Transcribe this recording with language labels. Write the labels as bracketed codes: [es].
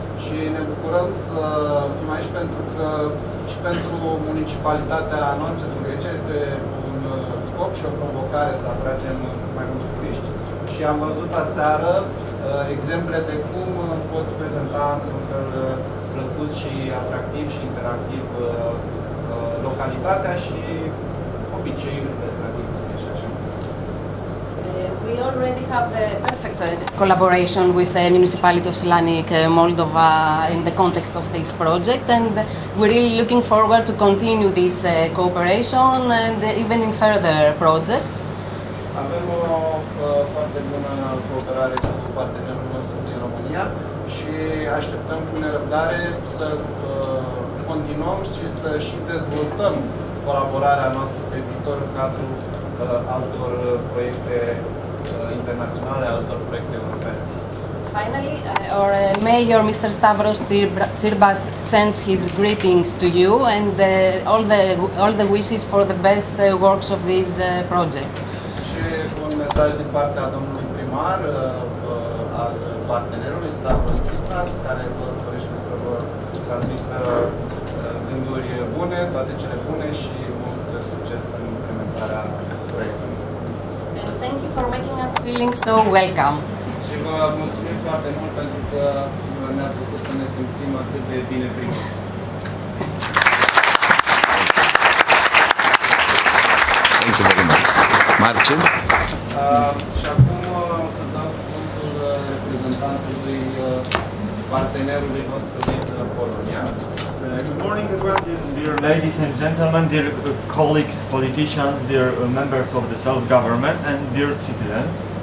[ro] Și ne bucurăm să fim aici pentru că și pentru municipalitatea noastră din Grecia este un scop și o provocare să atragem mai mulți turiști. Și am văzut aseară exemple de cum poți prezenta într-un fel plăcut și atractiv și interactiv localitatea și obiceiurile, tradițiile și așa. [en] We already have a perfect collaboration with the municipality of Slanik, Moldova, in the context of this project, and we're really looking forward to continue this cooperation and even in further projects. [ro] Avem o foarte bună cooperare cu partenerul nostru din România și așteptăm cu nerăbdare să continuăm și să și dezvoltăm colaborarea noastră pe viitor în cadrul altor proiecte internaționale, altor proiecte europene. [en] Finally, our mayor, Mr. Stavros Tsirbas, sends his greetings to you and all the wishes for the best works of this project. [ro] Și un mesaj din partea domnului primar, al partenerului Stavros Tsirbas, care vă dorește să vă transmită gânduri bune, toate cele bune și mult succes în implementarea proiectului. [en] Thank you for making us feeling so welcome. [ro] Și vă mulțumim. foarte mult pentru că ne-a făcut să ne simțim atât de bine primiți. [en] Thank you very much. Marcin? [ro] Și acum o să dau cuvântul reprezentantului partenerului vostru din Polonia. [en] Good morning, dear ladies and gentlemen, dear colleagues, politicians, dear members of the self-governments, and dear citizens.